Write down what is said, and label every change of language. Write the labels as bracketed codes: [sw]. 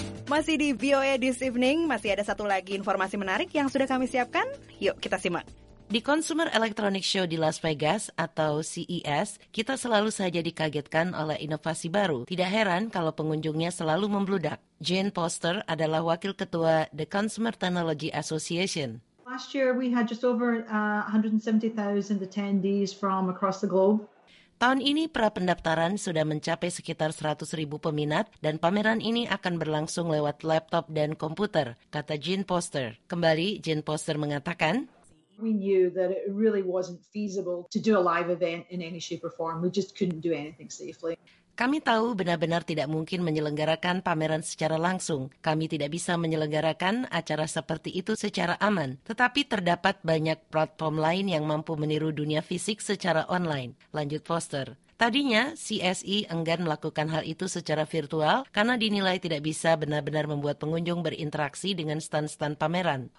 [id] Masih di VOA This Evening, masih ada satu lagi informasi menarik yang sudah kami siapkan. Yuk, kita simak. Di Consumer Electronics Show di Las Vegas atau CES, kita selalu saja dikagetkan oleh inovasi baru. Tidak heran kalau pengunjungnya selalu membludak. Jane Poster adalah wakil ketua The Consumer Technology Association. [en] Last year we had just over 170,000 attendees from across the globe. [id] Tahun ini pendaftaran sudah mencapai sekitar 100.000 peminat dan pameran ini akan berlangsung lewat laptop dan komputer, kata Jane Poster. Kembali, Jane Poster mengatakan, [en] we knew that it really wasn't feasible to do a live event in any shape or form. We just couldn't do anything safely. [id] Kami tahu benar-benar tidak mungkin menyelenggarakan pameran secara langsung. Kami tidak bisa menyelenggarakan acara seperti itu secara aman. Tetapi terdapat banyak platform lain yang mampu meniru dunia fisik secara online. Lanjut Foster. Tadinya, CSE enggan melakukan hal itu secara virtual karena dinilai tidak bisa benar-benar membuat pengunjung berinteraksi dengan stand-stand pameran.